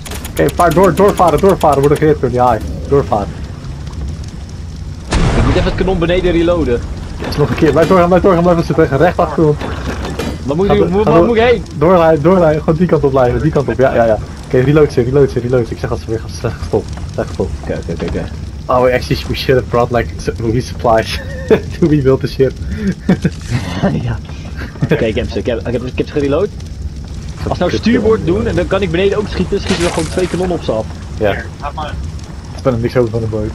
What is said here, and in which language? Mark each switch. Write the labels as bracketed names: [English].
[Dutch] Oké, okay, doorvaren, worden gehit door die haai. Doorvaren. Ik moet even het kanon beneden reloaden. Yes, nog een keer, blijf doorgaan, blijf zitten tegen, recht achter ons. Waar moet ik heen? Doorlijn, gewoon die kant op blijven, ja. Oké, okay, reload ze, ik zeg als ze weer gaan zeggen, stop. Zeg, stop. Oké. [English] Oh, we actually should have brought like movie supplies to rebuild the ship. [Dutch] Ja. Oké, ik heb ze gereload. Als nou stuurboord doen en dan kan ik beneden ook schieten, schieten we gewoon twee kanonnen op ze af. Ja. Ik ben er niks over van de boot.